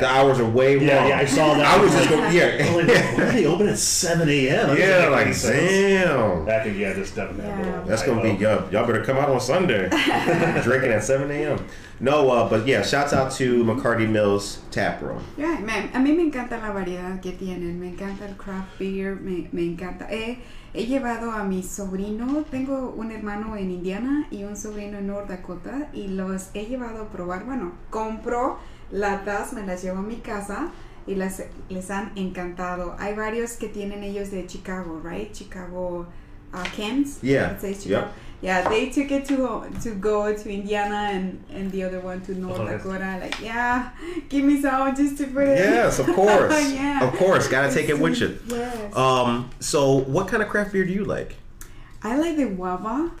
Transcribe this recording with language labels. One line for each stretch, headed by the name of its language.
English: The hours are way wrong. Yeah, yeah, I saw that. I was just going, yeah. Like, why are they open at 7 a.m.? Yeah, like, damn. That could, yeah, just definitely. Yeah. That's going to be, y'all better come out on Sunday. Drinking at 7 a.m. No, but yeah, shouts out to McCarty Mills Tap Room. Yeah, man.
Spanish: A mí me encanta la variedad que tienen. Me encanta el craft beer. Me encanta. He llevado a mi sobrino. Tengo un hermano en Indiana y un sobrino en North Dakota. Y los he llevado a probar. Bueno, compro latas, me las llevo a mi casa y les han encantado. Hay varios que tienen ellos de Chicago, right?
English: Chicago Kems. Yeah. I say Chicago. Yep. Yeah, they took it to go to Indiana and the other one to North Dakota. Like, yeah, give me some just to bring. Yes, of course. Yeah. Of course, gotta take it with you. Yes. So, what kind of craft beer do you like? I like the guava.